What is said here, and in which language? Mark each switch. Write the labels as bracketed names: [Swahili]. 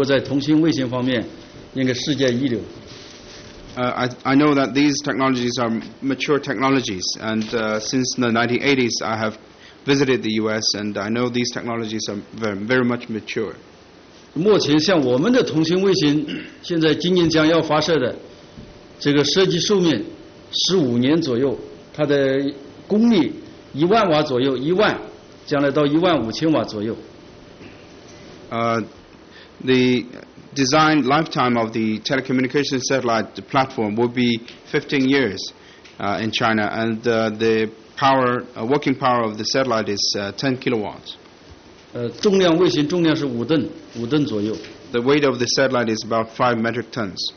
[Chinese] 这些技术我知道在美国来说是非常成熟的。我八几年我就开始访问美国，美国在通信卫星方面应该世界一流。 [English] I know that these technologies are mature technologies, and since the 1980s, I have visited the U.S. and I know these technologies are very much mature. [Chinese] 目前像我们的通信卫星，现在今年将要发射的这个设计寿命15年左右，它的功率1万瓦左右，将来到15000瓦左右。 [English] The design lifetime of the telecommunication satellite platform will be 15 years in China, and the power working power of the satellite is 10 kilowatts. [Chinese] 重量卫星重量是五吨左右。 [English] The weight of the satellite is about 5 metric tons.